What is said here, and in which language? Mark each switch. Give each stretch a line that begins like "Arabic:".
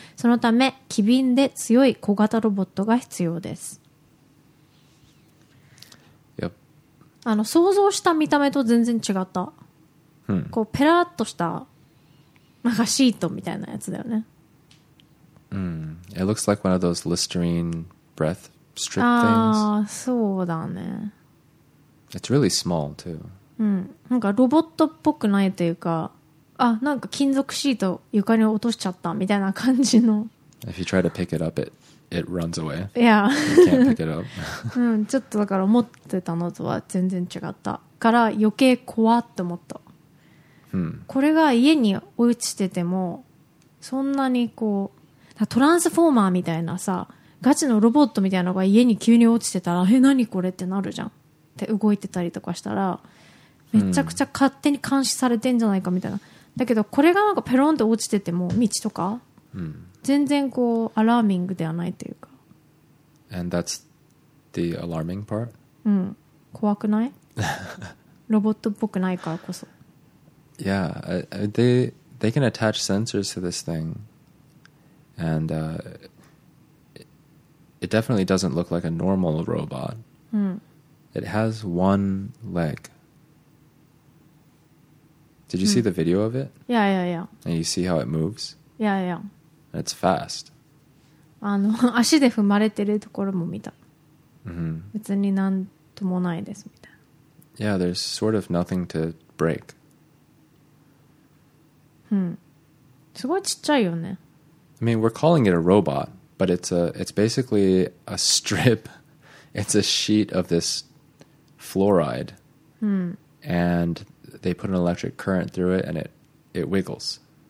Japanese: そのため機敏で強い小型ロボットが必要です。
English: Yep.
Japanese: あの想像した見た目と全然違った、こうペラッとしたなんかシートみたいなやつだよね。
English: It looks like one of those Listerine breathstrip things.
Japanese: Ah, そうだね。
English: It's really small too.
Japanese: うん、なんかロボットっぽくないというか、あ、なんか金属シート床に落としちゃったみたいな感じの。
English: If you try to pick it up, it runs away. Yeah. You can't pick it up.
Japanese: うん、ちょっとだから持ってたのとは全然違ったから余計怖って思った。 Hmm. これが家に落ちててもそんなにこうトランスフォーマーみたいなさガチのロボットみたいなのが家に急に落ちてたらえ何これってなるじゃんって動いてたりとかしたらめちゃくちゃ勝手に監視されてんじゃないかみたいな、うん、だけどこれがなんかペロンと落ちてても道とか、うん、全然こうアラーミングではないというか
English: And that's the alarming part?
Japanese: うん怖くないロボットっぽくないからこそ
English: Yeah, they can attach sensors to this thing and it definitely doesn't look like a normal robot、うん、 it has one legDid you see the video of it? Yeah, yeah, yeah. And you see how it moves? Yeah, yeah. It's fast.
Japanese: あの、足で踏まれてるところも見た。 Mm-hmm. 別になんともないですみたいな。
English: Yeah, there's sort of nothing to break. Hmm.
Japanese: すごいちっちゃいよね。
English: I mean, we're calling it a robot, but it's basically a strip. It's a sheet of this fluoride. Hmm. And... They put an electric current through it and it wiggles.